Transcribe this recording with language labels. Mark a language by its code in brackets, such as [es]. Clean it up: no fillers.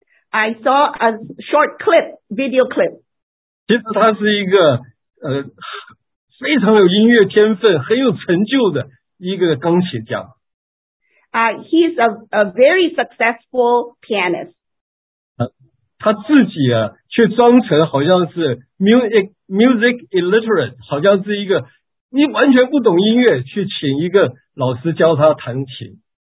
[en] I saw a short clip, video clip. [zh] 其实他是一个非常有音乐天分，很有成就的一个钢琴家。 [en] He's a very successful pianist. [zh] 他自己啊，却装成好像是 music illiterate， 好像是一个你完全不懂音乐，去请一个老师教他弹琴。